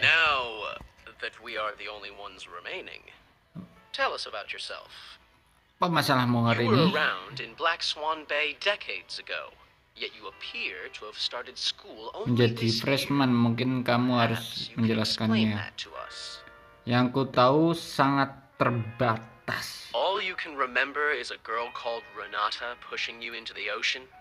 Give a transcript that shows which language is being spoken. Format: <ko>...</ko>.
<en>Now that we are the only ones remaining, tell us about yourself.</en> <id>Apa masalahmu hari ini?</id> <en>You were around in Black Swan Bay decades ago. Yet you appear to have started school only.</en> <id>Menjadi freshman, mungkin kamu harus menjelaskannya. Yang ku tahu sangat terbatas.</id> <en>All you can remember is a girl called Renata pushing you into the ocean.</en>